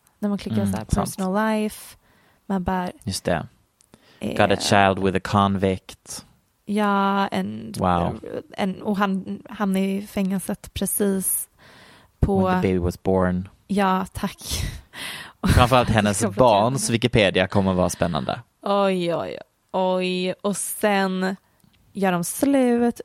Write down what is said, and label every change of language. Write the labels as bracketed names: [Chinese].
[Swedish] När man klickar såhär, [English] personal life. [Swedish] Man bara, just det. [English] Got a child with a convict. Ja, and, wow. [Swedish] And, och han hamnade i fängelset precis på... [English] When the baby was born. [Swedish] Ja, tack. Framförallt hennes barns Wikipedia kommer vara spännande. Oj, oj, oj. Och sen gör de slut.